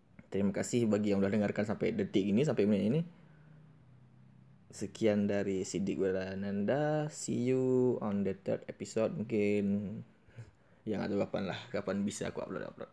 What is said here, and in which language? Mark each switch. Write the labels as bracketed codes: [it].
[id] Terima kasih bagi yang udah dengarkan sampai detik ini, sampai menit ini. Sekian dari Sidik Warananda. [en] See you on the third episode [id] mungkin. Yang atau kapan lah, kapan bisa aku upload.